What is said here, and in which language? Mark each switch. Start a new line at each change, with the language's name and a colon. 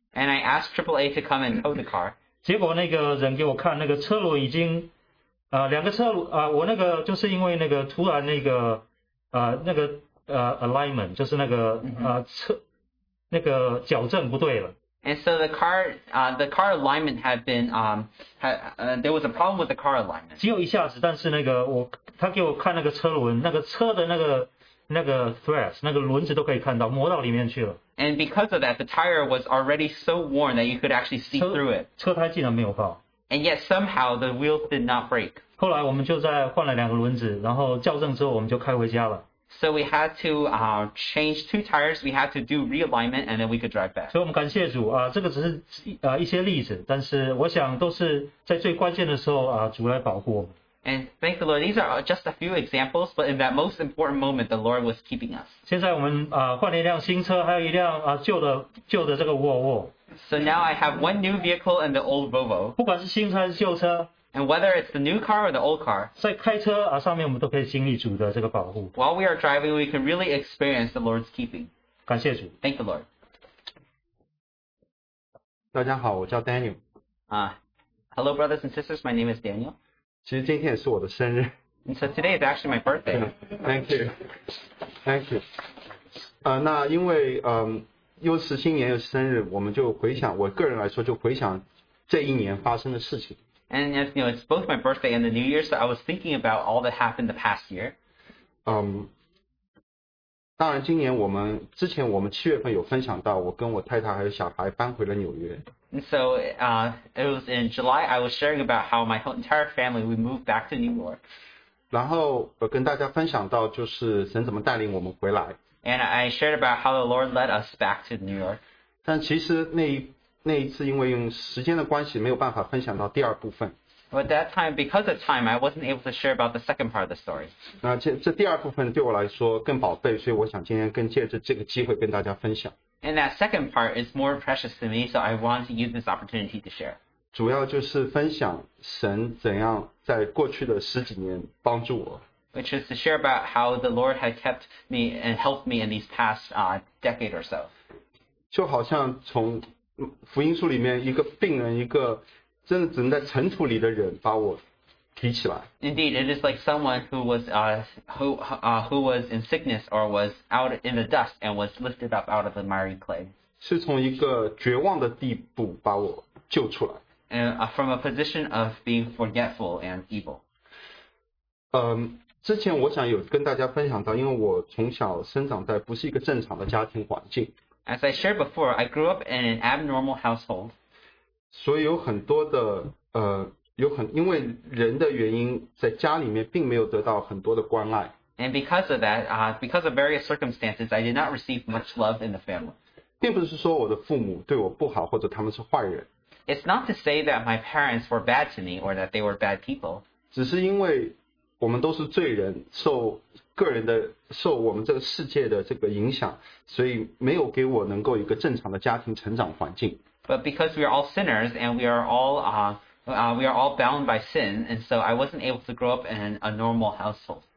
English: And I asked AAA to come and tow the car.
Chinese: 结果那个人给我看那个车轮已经两个车轮我那个就是因为那个突然那个alignment, 就是那个车那个矫正不对了。
English: And so the car alignment had been, there was a problem with the car alignment.
Chinese: 只有一下子，但是那个他给我看那个车轮，那个车的那个 threads, 那个轮子都可以看到，磨到里面去了。
English: And because of that, the tire was already so worn that you could actually see through it.
Chinese: 车胎竟然没有爆。
English: And yet somehow the wheels did not break.
Chinese: 后来我们就在换了两个轮子，然后校正之后我们就开回家了。
English: So we had to change two tires, we had to do realignment, and then we could drive back.
Chinese: 所以我们感谢主这个只是一些例子，但是我想都是在最关键的时候主来保护我们。
English: And thank the Lord, these are just a few examples, but in that most important moment, the Lord was keeping us.
Chinese: 现在我们换了一辆新车，还有一辆旧的这个沃尔沃。
English: So now I have one new vehicle and the old Volvo.
Chinese: 不管是新车还是旧车。
English: And whether it's the new car or the old car,
Chinese: 在开车上面我们都可以经历主的这个保护。
English: While we are driving, we can really experience the Lord's keeping.
Chinese: 感谢主。
English: Thank the Lord.
Chinese: 大家好，我叫 Daniel.
English: Hello, brothers and sisters. My name is Daniel.
Chinese: 其实今天也是我的生日。
English: And so today is actually my birthday. Thank you. Thank you.
Chinese: 那因为又是新年又是生日，我们就回想，我个人来说就回想这一年发生的事情。
English: And you know, it's both my birthday and the New Year, so I was thinking about all that happened the past year.
Chinese: 当然今年我们之前我们七月份有分享到我跟我太太还有小孩搬回了纽约。
English: And so it was in July I was sharing about how my entire family we moved back to New York.
Chinese: 然后跟大家分享到就是神怎么带领我们回来。
English: And I shared about how the Lord led us back to New York.
Chinese: 但其实那一次因为用时间的关系没有办法分享到第二部分。
English: But that time, because of time, I wasn't able to share about the second part of the story.
Chinese: 这第二部分对我来说更宝贝，所以我想今天更借着这个机会跟大家分享。
English: And that second part is more precious to me, so I want to use this opportunity to share.
Chinese: 主要就是分享神怎样在过去的十几年帮助我。
English: Which is to share about how the Lord had kept me and helped me in these past decade or so.
Chinese: 就好像从福音书里面一个病人一个真的只能在尘土里的人把我提起来。
English: Indeed, it is like someone who was in sickness or was out in the dust and was lifted up out of the miry clay.
Chinese: 是从一个绝望的地步把我救出来。
English: And from a position of being forgetful and evil.
Chinese: 之前我想有跟大家分享到，因为我从小生长在不是一个正常的家庭环境。
English: As I shared before, I grew up in an abnormal household.
Chinese: 所以有很多的因为人的原因，在家里面并没有得到很多的关爱。
English: And because of that, because of various circumstances, I did not receive much love in the family.
Chinese: 并不是说我的父母对我不好，或者他们是坏人。
English: It's not to say that my parents were bad to me or that they were bad people.
Chinese: 只是因为我们都是罪人，受我们这个世界的这个影响，所以没有给我能够一个正常的家庭成长环境。
English: But because we are all sinners and we are all bound by sin, and so I wasn't able to grow up in a normal household.